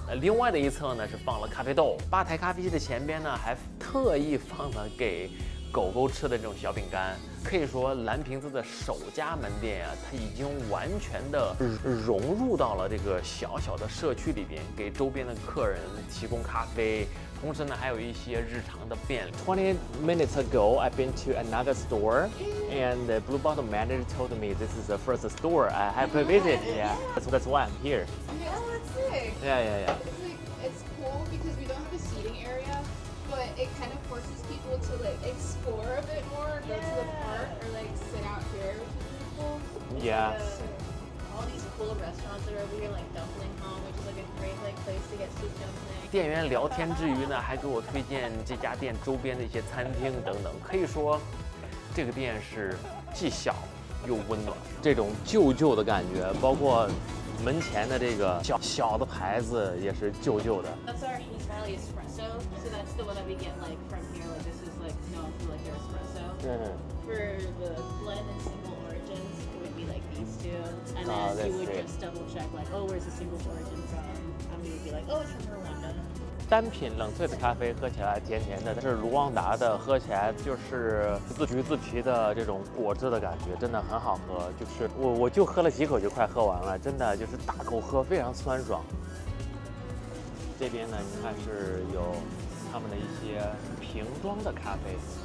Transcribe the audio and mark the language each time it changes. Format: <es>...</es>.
<zh>那另外的一侧呢是放了咖啡豆，吧台咖啡机的前边呢还特意放了给狗狗吃的这种小饼干。可以说蓝瓶子的首家门店啊，它已经完全的融入到了这个小小的社区里边，给周边的客人提供咖啡，同时呢还有一些日常的便利。</zh> <en>20 minutes ago I've been to another store and the blue bottle manager told me this is the first store I have to visit. Yeah, that's why I'm here. Yeah, that's sick. Yeah, yeah, yeah. It's cool because we don't have a seating area, but it kind of forces people to explore a bit more, go to the park or like sit out here with people. Yeah. All these cool restaurants that are over here, like Dumpling Hong, which is like a great like place to get soup dumplings.</en> <zh>店员聊天之余呢，还给我推荐这家店周边的一些餐厅等等。可以说，这个店是既小又温暖，这种旧旧的感觉，包括门前的这个小小的牌子也是旧旧的。</zh> <en>That's our East Valley Espresso, so that's the one that we get like from here. Like this is like known for like their espresso. For the blend and single origins, it would be like these two, and then you would just double check like, oh, where's the single origin from? And we would be like, oh, it's from Rwanda.</en> <zh>单品冷萃的咖啡喝起来甜甜的，但是卢旺达的喝起来就是橘子皮的这种果汁的感觉，真的很好喝。就是我就喝了几口就快喝完了，真的就是大口喝非常酸爽。这边呢，你看是有他们的一些瓶装的咖啡。</zh>